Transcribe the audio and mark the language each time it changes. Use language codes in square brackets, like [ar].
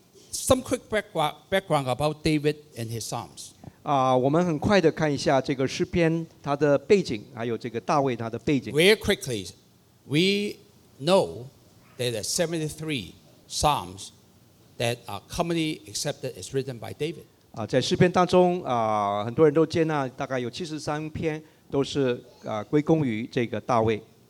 [en] Some quick background about David and his Psalms. [zh] 我们很快的看一下这个诗篇它的背景，还有这个大卫他的背景。 [en] Very quickly, we know that there are 73 Psalms that are commonly accepted as written by David. [zh] 在诗篇当中很多人都接纳大概有73篇都是归功于这个大卫。